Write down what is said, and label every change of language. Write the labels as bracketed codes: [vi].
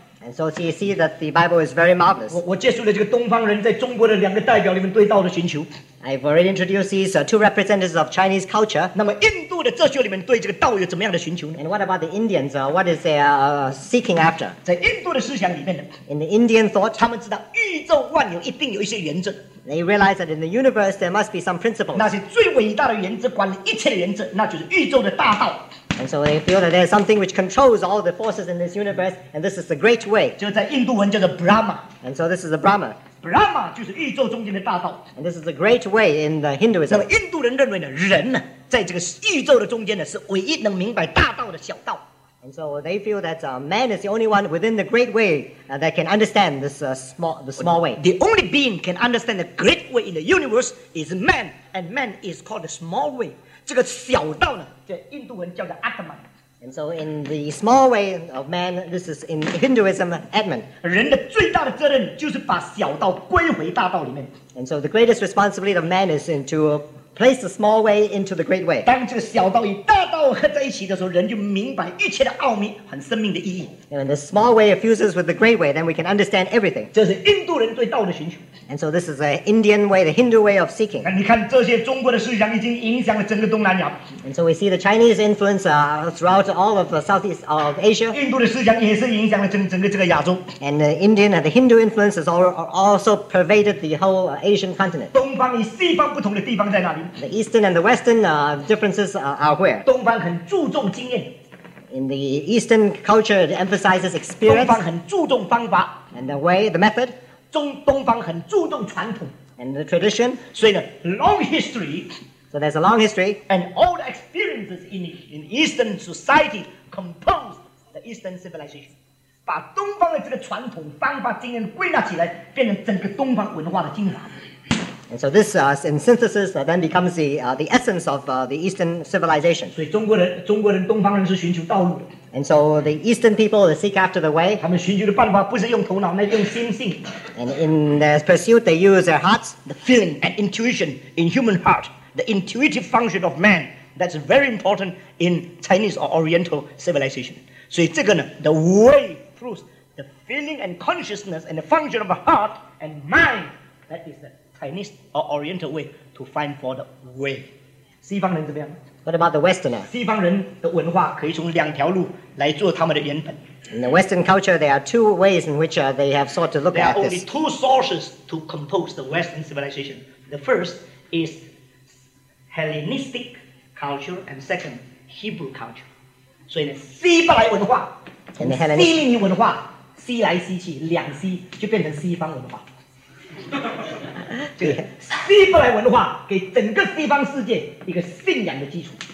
[en] And so you see that the Bible is very marvelous. [zh] 我接触了这个东方人在中国的两个代表里面对道的寻求。 [en] I've already introduced these two representatives of Chinese culture. [zh] 那么印度的哲学里面对这个道有怎么样的寻求呢? [en] And what about the Indians? What is their seeking after? [zh] 在印度的思想里面, [en] in the Indian thought, [zh] 他们知道宇宙万有一定有一些原则。 [en] They realize that in the universe there must be some principles. [zh] 那些最伟大的原则管理一切的原则，那就是宇宙的大道。 [en] And so they feel that there's something which controls all the forces in this universe, and this is the great way. [zh] 就在印度文叫做 Brahma. [en] And so this is the Brahma. [zh] Brahma 就是宇宙中间的大道. [en] And this is the great way in the Hinduism. [zh] 那么印度人认为呢, 人在这个宇宙的中间呢是唯一能明白大道的小道. [en] And so they feel that man is the only one within the great way that can understand this small way. The only being can understand the great way in the universe is man, and man is called the small way. [zh] 这个小道呢，这印度文叫做Atman。 [en] And so in the small way of man, this is in Hinduism, Atman. [zh] 人的最大的责任就是把小道归回大道里面。 [en] And so the greatest responsibility of man is to place the small way into the great way. [zh] 当这个小道与大道合在一起的时候，人就明白一切的奥秘和生命的意义。 [en] And when the small way fuses with the great way, then we can understand everything. [zh] 这是印度人对道的寻求。 [en] And so this is an Indian way, the Hindu way of seeking. [zh] 你看这些中国的思想已经影响了整个东南亚。 [en] And so we see the Chinese influence throughout all of the Southeast of Asia. [zh] 印度的思想也是影响了整个这个亚洲。 [en] And the Indian and the Hindu influences also pervaded the whole Asian continent. [zh] 东方与西方不同的地方在哪里? [en] The Eastern and the Western differences are where? [zh] 东方很注重经验。 [en] In the Eastern culture, it emphasizes experience. [zh] 东方很注重方法。 [en] And the way, the method. [zh] 东方很注重传统 [en] and the tradition. [zh] 所以呢, [en] long history. So there's a long history. And all the experiences in Eastern society compose the Eastern civilization. [zh] 把东方的这个传统方法经验归纳起来，变成整个东方文化的精华。 [en] And so this, in synthesis, then becomes the essence of the Eastern civilization. [zh] 所以中国人东方人是寻求道路的。 [en] And so the Eastern people, they seek after the way. [zh] 他们寻求的办法不是用头脑, 那用心性。 [en] And in their pursuit, they use their hearts. The feeling and intuition in human heart, the intuitive function of man, that's very important in Chinese or Oriental civilization. [zh] 所以这个呢, [en] the way proves the feeling and consciousness and the function of the heart and mind, that is the Chinese or Oriental way to find for the way. [zh] 西方人怎么样? [en] What about the Westerner? [zh] 西方人的文化可以从两条路来做他们的原本。 [en] In the Western culture, there are two ways in which they have sought to look there at this. There are only two sources to compose the Western civilization. The first is Hellenistic culture, and second, Hebrew culture. [zh] 所以呢，希伯来文化跟希腊文化，希来希去，两希就变成西方文化。希伯来文化给整个西方世界一个信仰的基础。